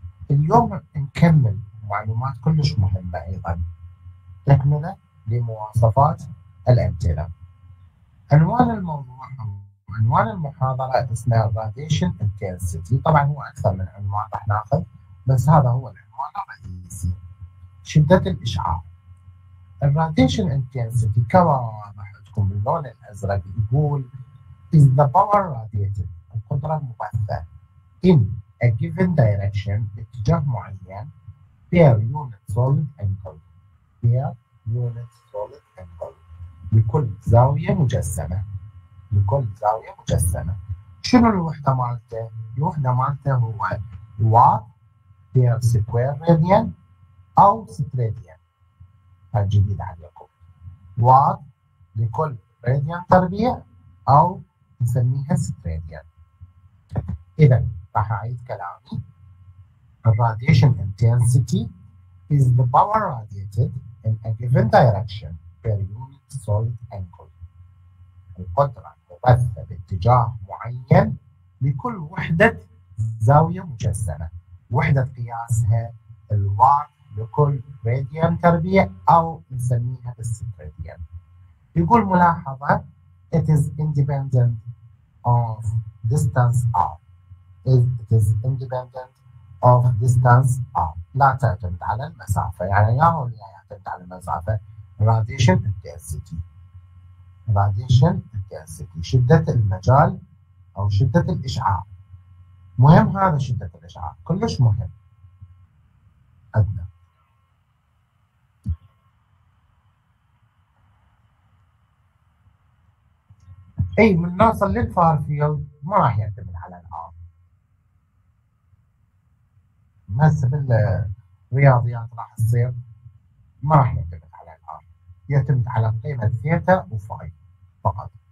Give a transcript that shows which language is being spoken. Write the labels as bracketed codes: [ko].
[ar] اليوم نكمل معلومات كلش مهمة أيضا، تكملة لمواصفات الأنتنة. عنوان الموضوع، عنوان المحاضرة اسمها Radiation Intensity، طبعا هو أكثر من عنوان راح ناخذ، بس هذا هو العنوان الرئيسي، شدة الإشعاع. [en] الـ Radiation Intensity [ar] كما واضح لكم باللون الأزرق يقول [en] is the power radiated، [ar] القدرة المبثة، [en] in a given direction، [ar] باتجاه معين، [en] per unit solid angle، per unit solid angle، [ar] لكل زاوية مجسمة. لكل زاوية مجسمة. شنو الوحدة مالته؟ الوحدة مالته هو وات بير سكوير راديان أو ستراديان. هاي جديدة عليكم. وات لكل راديان تربيع أو نسميها ستراديان. إذا راح أعيد كلامي. [en] الراديشن intensity is the power radiated in a given direction per unit solid angle. [ar] القدرة بث باتجاه معين لكل وحدة زاوية مجسمة. وحدة قياسها الوات لكل راديان تربيع أو نسميها بالست راديان. يقول ملاحظة [en] It is independent of distance r. It is independent of distance r. [ar] لا تعتمد على المسافة، يعني يا هو لا يعتمد على المسافة. [en] Radiation intensity. [ar] Radiation intensity شدة المجال أو شدة الإشعاع. مهم هذا شدة الإشعاع، كلش مهم. أدنى أي من نوصل للفار فيلد ما راح يعتمد على الآر، بس بالرياضيات راح تصير ما راح يعتمد على الآر، يعتمد على قيمة ثيتا وفاي فقط.